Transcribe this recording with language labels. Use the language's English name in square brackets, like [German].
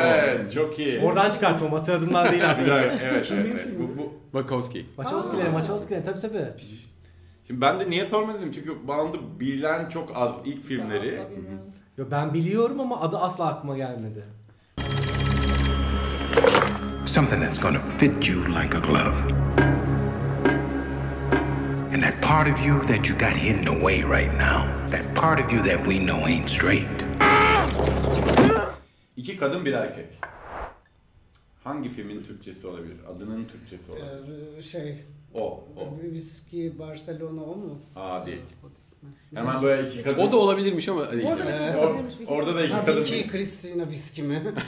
[Turkish] Evet, çok iyi. Oradan çıkartmam hatırladığımdan değil aslında. Evet. Bu Wachowski. Wachowski'ler tabii. Şimdi ben de niye sormadım çünkü Bound'ı bilen çok az ilk filmleri. Yo, ben biliyorum ama adı asla aklıma gelmedi. [English] Something that's gonna fit you like a glove. And that part of you that you got hidden away right now. That part of you that we know ain't straight. [Turkish] İki kadın bir erkek. Hangi filmin Türkçesi olabilir? Adının Türkçesi olabilir. O. Whiskey Barcelona o mu? Aa değil. Hemen böyle iki kadın. O da olabilirmiş ama. Orada, değil. Orada da iki kadın. Whiskey Christina Whiskey mi?